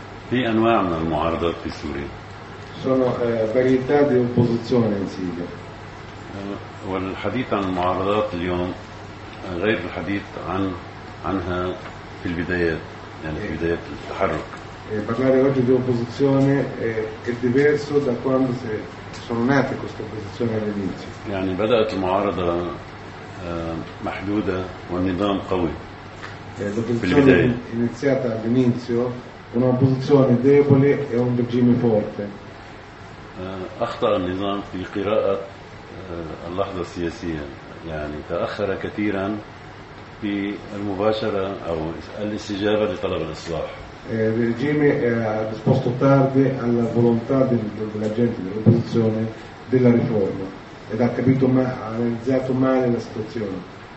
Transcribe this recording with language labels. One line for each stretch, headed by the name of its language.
Arabic: في انواع من المعارضه في سوريا
Italian: sono varietà di opposizione in Siria
Arabic: والحديث عن المعارضات اليوم غير الحديث عنها في البدايات يعني في بداية التحرك.
Italian: parlare oggi di opposizione è diverso da quando sono nate queste opposizioni all'inizio.
Arabic: يعني بدأت المعارضة محدودة والنظام قوي.
Italian: l'opposizione iniziata all'inizio una opposizione debole e un regime forte.
Arabic: أخطأ النظام في قراءة اللحظة السياسية يعني تأخر كثيرا في المباشرة أو الاستجابة لطلب الإصلاح.
Italian: regime risposto tardi alla volontà della gente dell'opposizione della riforma ed ha capito ma ha analizzato male la situazione.